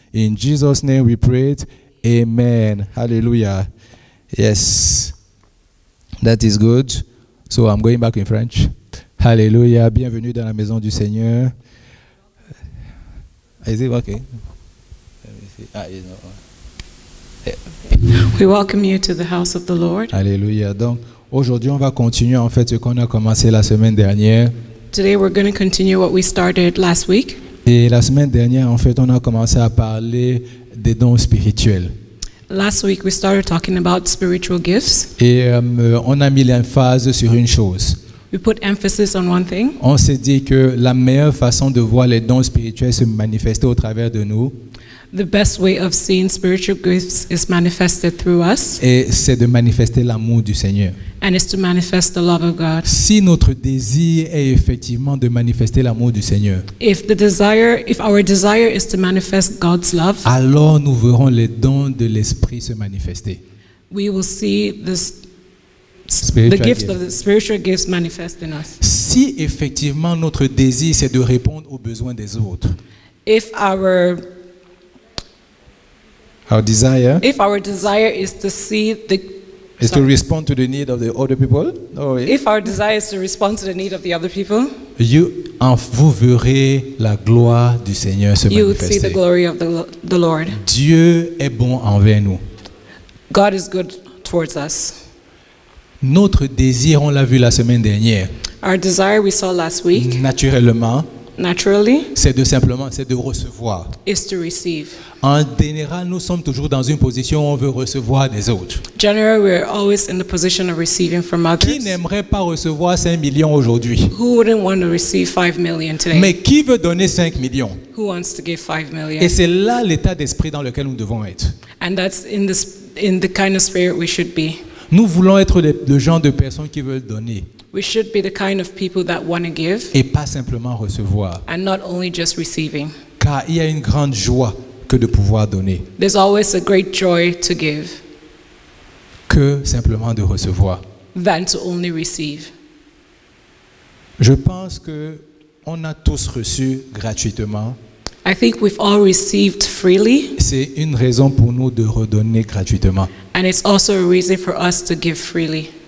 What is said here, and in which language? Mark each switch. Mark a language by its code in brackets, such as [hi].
[en] In Jesus' name we prayed. Amen. Hallelujah. Yes. That is good. So I'm going back in French. Hallelujah. [fr] Bienvenue dans la maison du Seigneur. [en] Is it okay? Let me see. Ah, it's not. We welcome you to the house of the Lord. [fr] Alléluia. Donc, aujourd'hui, on va continuer en fait ce qu'on a commencé la semaine dernière. [en] Today we're going to continue what we started last week. [fr] Et la semaine dernière, en fait, on a commencé à parler des dons spirituels. [en] Last week we started talking about spiritual gifts. [fr] Et on a mis l'emphase sur une chose. [en] We put emphasis on one thing. [fr] On s'est dit que la meilleure façon de voir les dons spirituels se manifester au travers de nous. [en] The best way of seeing spiritual gifts is manifested through us. [fr] Et c'est de manifester l'amour du Seigneur. [en] And it's to manifest the love of God. [fr] Si notre désir est effectivement de manifester l'amour du Seigneur, [en] if our desire is to manifest God's love, [fr] alors nous verrons les dons de l'Esprit se manifester. [en] We will see the spiritual gifts manifest in us. [fr] Si effectivement notre désir c'est de répondre aux besoins des autres, [en] If our desire is to respond to the need of the other people, [fr] vous verrez la gloire du Seigneur se manifester. [en] You would see the glory of the Lord. [fr] Dieu est bon envers nous. [en] God is good towards us. [fr] Notre désir, on l'a vu la semaine dernière. [en] Our desire we saw last week. [fr] Naturellement. [en] Naturally, [fr] c'est de recevoir. [en] Is to receive. [fr] En général, nous sommes toujours dans une position où on veut recevoir des autres. [en] Generally, we are always in the position of receiving from others. [fr] Qui n'aimerait pas recevoir 5 millions aujourd'hui? [en] Who wouldn't want to receive 5 million today? [fr] Mais qui veut donner 5 millions? [en] Who wants to give 5 million? [fr] Et c'est là l'état d'esprit dans lequel nous devons être. [en] And that's in the kind of spirit we should be. [fr] Nous voulons être le genre de personnes qui veulent donner. [en] We should be the kind of people that want to give. [fr] Et pas simplement recevoir. [en] And not only just receiving. [fr] Car il y a une grande joie que de pouvoir donner. [en] There's always a great joy to give. [fr] Que simplement de recevoir. [en] Than to only receive. [fr] Je pense que on a tous reçu gratuitement. [en] I think we've all received freely. [fr] C'est une raison pour nous de redonner gratuitement. [en] And it's also a reason for us to give freely.